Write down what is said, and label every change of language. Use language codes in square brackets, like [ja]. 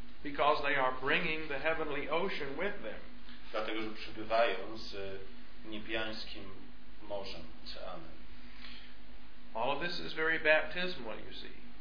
[en] Because they are bringing the heavenly ocean with them. [pl] Dlatego, że przybywają z niebiańskim morzem, oceanem. [en] All of this is very baptismal, you see.